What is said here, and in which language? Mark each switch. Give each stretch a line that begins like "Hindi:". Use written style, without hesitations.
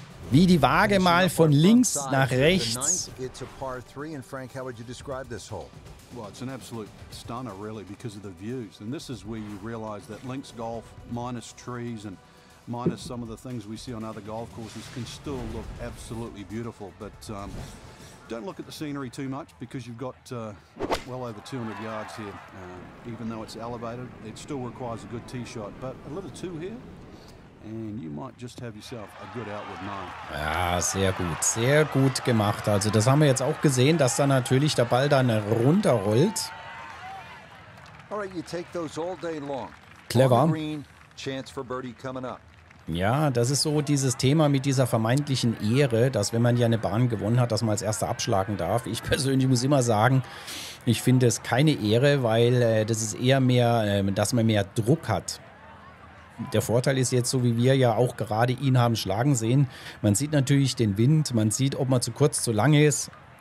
German: Wie die Waage mal von links nach rechts.
English: It's a par 3. And Frank, how would you describe this hole? Well, it's an absolute stunner, really, because of the views. And this is where you realize that links golf minus trees and minus some of the things we see on other golf courses can still look absolutely beautiful. But don't look at the scenery too much because you've got well over 200 yards here. Even though it's elevated, it still requires a good tee shot. But a little two here, and you might just have yourself a good outward nine.
German: Ja, sehr gut gemacht. Also das haben wir jetzt auch gesehen, dass da natürlich der Ball dann runterrollt.
English: All right, you take those all day long. Clever. Green, chance for birdie coming up.
German: Ja, das ist so dieses Thema mit dieser vermeintlichen Ehre, dass wenn man ja eine Bahn gewonnen hat, dass man als Erster abschlagen darf. Ich persönlich muss immer sagen, ich finde es keine Ehre, weil das ist eher mehr, dass man mehr Druck hat. Der Vorteil ist jetzt, so wie wir ja auch gerade ihn haben schlagen sehen, man sieht natürlich den Wind, man sieht, ob man zu kurz, zu lang ist.